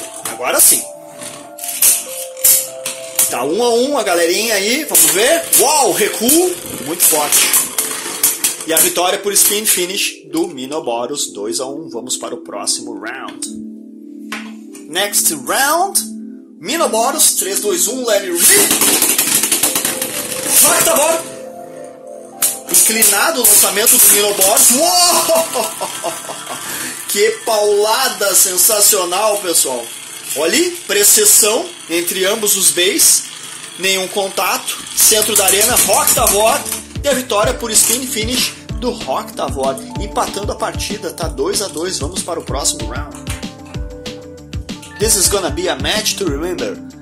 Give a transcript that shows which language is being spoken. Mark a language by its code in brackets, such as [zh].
[pt] Agora sim. Tá 1-1 a galerinha aí, vamos ver. Uau, recuo, muito forte. E a vitória por spin finish do Minoboros, 2-1. Vamos para o próximo round. [en] Next round, Minoboros, 3, 2, 1, let it rip. [pt] Vai, tá bom. Inclinado o lançamento do Minoboros. Uau, que paulada sensacional, pessoal. Olha ali, precessão entre ambos os bases. Nenhum contato. Centro da arena, Rocktavor. E a vitória por spin finish do Rocktavor, empatando a partida. Tá 2-2. Vamos para o próximo round. [en] This is gonna be a match to remember.